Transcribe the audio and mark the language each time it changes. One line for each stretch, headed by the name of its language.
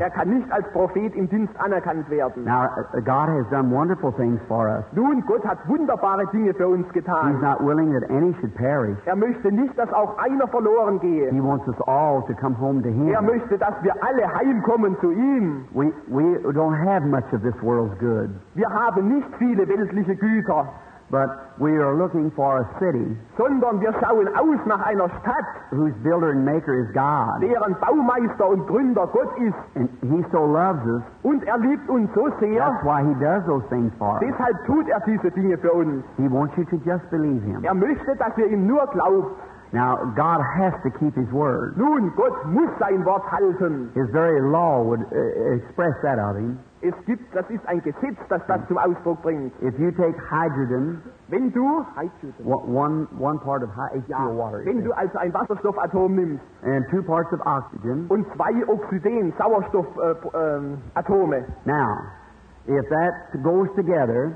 German: er kann nicht als Prophet im Dienst anerkannt werden.
English: Now God has done wonderful things for us.
German: Nun, Gott hat wunderbare Dinge für uns getan.
English: He's not willing that any should perish.
German: Er möchte nicht, dass auch einer verloren gehe.
English: He wants us all to come home to him.
German: Er möchte, dass wir alle heimkommen zu ihm.
English: We don't have much of this world's good.
German: Wir haben nicht viele weltliche Güter.
English: But we are looking for a city,
German: sondern wir schauen aus nach einer Stadt,
English: whose builder and maker is God,
German: deren Baumeister und Gründer Gott ist.
English: And he so loves us,
German: und er liebt uns so sehr,
English: that's why he does those things for us.
German: Deshalb tut er diese Dinge für uns.
English: He wants you to just believe him.
German: Er möchte, dass ihr ihm nur glaubt.
English: Now, God has to keep his word.
German: Nun, Gott muss sein Wort halten.
English: His very law would express that of him.
German: Es gibt, das ist ein Gesetz, das zum Ausdruck bringt.
English: If you take hydrogen,
German: wenn du
English: one part of H2O water,
German: wenn du also ein Wasserstoffatom nimmst,
English: and two parts of oxygen,
German: und zwei Oxygen, Sauerstoff, Atome.
English: Now, If that goes together,